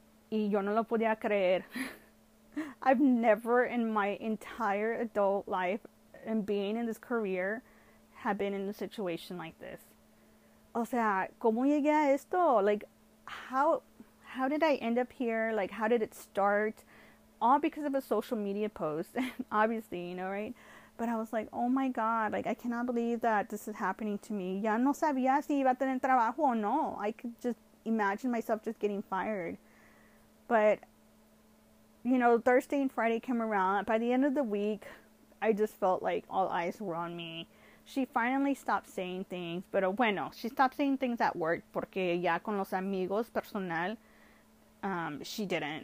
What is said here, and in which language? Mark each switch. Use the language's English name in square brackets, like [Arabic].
[Spanish] Y yo no lo podía creer. [English] I've never in my entire adult life and being in this career have been in a situation like this. [Spanish] O sea, ¿cómo llegué a esto? [English] Like, how did I end up here? Like, how did it start? All because of a social media post, obviously, you know, right? But I was like, oh my God, like, I cannot believe that this is happening to me. [Spanish] Ya no sabía si iba a tener trabajo o no. [English] I could just imagine myself just getting fired. But you know, Thursday and Friday came around. By the end of the week, I just felt like all eyes were on me. She finally stopped saying things, but [Spanish] bueno, [English] she stopped saying things at work [Spanish] porque ya con los amigos personal, [English] she didn't.